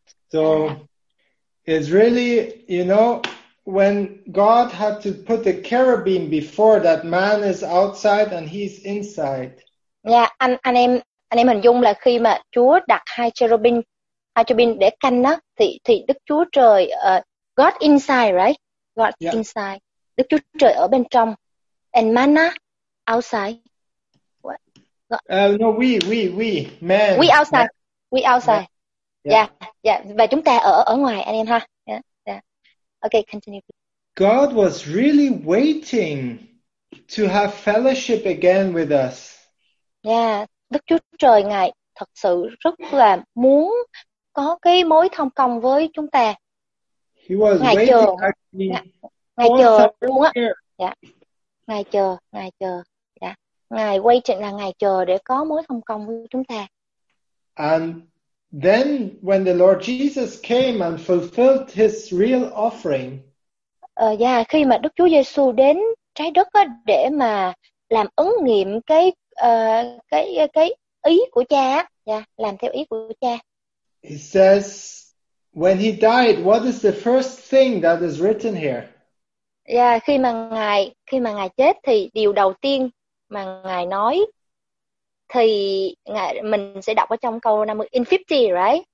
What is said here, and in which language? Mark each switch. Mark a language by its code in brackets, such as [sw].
[en] So it's really, you know, when God had to put the cherubim before that, man is outside and he's inside. [vi] Yeah, anh em hình dung là khi mà Chúa đặt hai cherubim để canh đó, thì Đức Chúa Trời, [en] God inside, right? God yeah. Inside. [vi] Đức Chúa Trời ở bên trong. [en] And man outside. What? No, we, man. We outside. Man. We outside. [vi] Yeah. Và chúng ta ở ngoài, anh em ha. [en] Yeah. Okay, continue. God was really waiting to have fellowship again with us. [vi] Yeah, Đức Chúa Trời Ngài thật sự rất là muốn có cái mối thông công với chúng ta. [en] He was [vi] Ngài [en] waiting [vi] chờ. [en] Actually. [vi] Ngài chờ luôn á. Yeah. Ngài chờ. Yeah. Ngài [en] waiting [vi] là Ngài chờ để có mối thông công với chúng ta. [en] And then when the Lord Jesus came and fulfilled his real offering. [vi] Khi mà Đức Chúa Giêsu đến trái đất á để mà làm ứng nghiệm cái ý của Cha, làm theo ý của Cha. [en] He says, when he died, what is the first thing that is written here? [vi] Yeah, khi mà ngài chết thì điều đầu tiên mà ngài nói thì ngài mình sẽ đọc ở trong câu 50, [en] in 50, right?